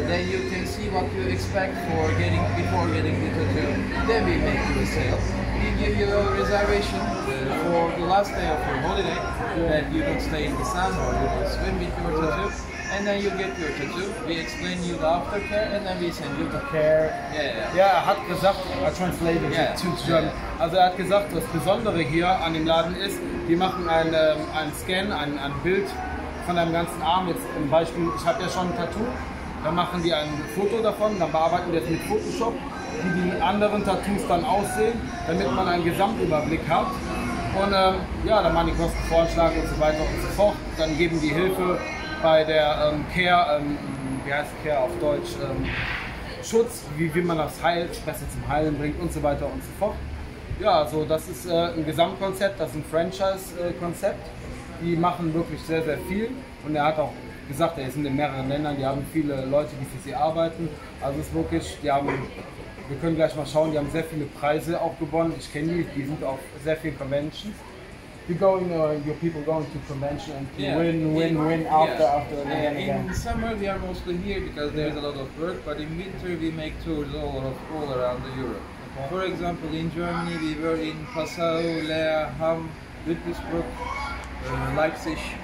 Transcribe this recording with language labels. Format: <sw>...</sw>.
<en>Then you can see what you expect for getting before getting the tattoo. Then we make the sale. We give you a reservation for the last day of your holiday, that you don't stay in the sun or you don't swim with your tattoo. And then you get your tattoo, we explain you the aftercare, and then we send you the care. Yeah.</en> <de>Er hat gesagt,</de> <en>I translated it to German. Yeah.</en> <de>Also er hat gesagt, das Besondere hier an dem Laden ist, wir machen einen Scan, ein Bild von deinem ganzen Arm. Jetzt zum Beispiel, ich habe ja schon ein Tattoo, dann machen die ein Foto davon, dann bearbeiten wir das mit Photoshop, wie die anderen Tattoos dann aussehen, damit man einen Gesamtüberblick hat. Und dann machen die Kosten vorschlagen und so weiter und so fort. Dann geben die Hilfe bei der Care, wie heißt Care auf Deutsch, Schutz, wie man das heilt, besser zum Heilen bringt und so weiter und so fort. Ja, also das ist ein Gesamtkonzept, das ist ein Franchise-Konzept. Die machen wirklich sehr, sehr viel und er hat auch gesagt, er ist in mehreren Ländern, die haben viele Leute, die für sie arbeiten. Also es ist wirklich, wir können gleich mal schauen, die haben sehr viele Preise auch gewonnen. Ich kenne die sind auch sehr viel Conventions.</de> <en>You're going, your people going to convention and win, after again. In summer we are mostly here because there is a lot of work, but in winter we make tours all around Europe. Okay. For example, in Germany we were in Passau, Lea, Hamm, Ludwigsburg, Leipzig.</en>